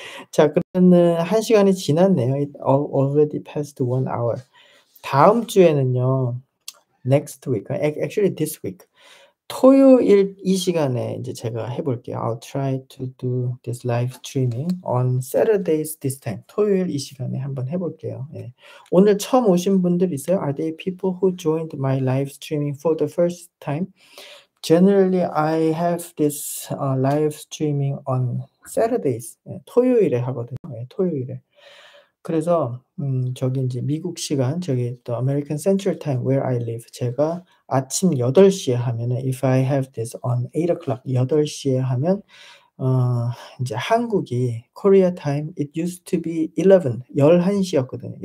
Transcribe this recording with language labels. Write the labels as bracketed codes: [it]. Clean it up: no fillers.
[ko] 자 그러면은 한 시간이 지났네요. [en] It already passed one hour. [ko] 다음 주에는요. [en] Next week. Actually this week. [ko] 토요일 이 시간에 이제 제가 해볼게요. [en] I'll try to do this live streaming on Saturdays this time. [ko] 토요일 이 시간에 한번 해볼게요. 예. 오늘 처음 오신 분들 있어요? [en] Are there people who joined my live streaming for the first time? Generally, I have this live streaming on Saturdays. [ko] 예. 토요일에 하거든요. 예. 토요일에. 그래서 저기 이제 미국 시간 저기 또 [en] American Central Time where I live [ko] 제가 아침 8시에 하면은 [en] if I have this on 8 o'clock [ko] 8시에 하면 이제 한국이 [en] Korea time it used to be 11 [ko] 11시였거든요.